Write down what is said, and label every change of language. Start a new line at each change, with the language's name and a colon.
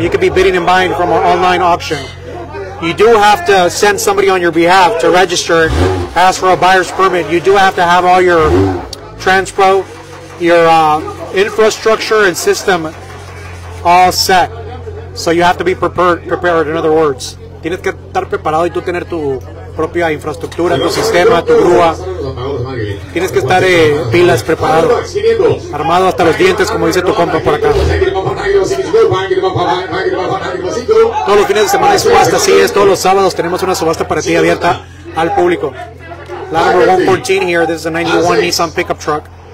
English: You can be bidding and buying from our online auction. You do have to send somebody on your behalf to register, ask for a buyer's permit. You do have to have all your transpro, your infrastructure and system all set. So you have to be prepared, in other words.
Spanish: Tienes que estar preparado y tú tener tu propia infraestructura, tu sistema, tu grúa. Tienes que estar pilas preparado, armado hasta los dientes, como dice tu compa por acá. Todos los fines de semana hay subasta, así es, todos los sábados tenemos una subasta para ti abierta al público.
English: La number 114 here, this is a 91 Nissan pickup truck.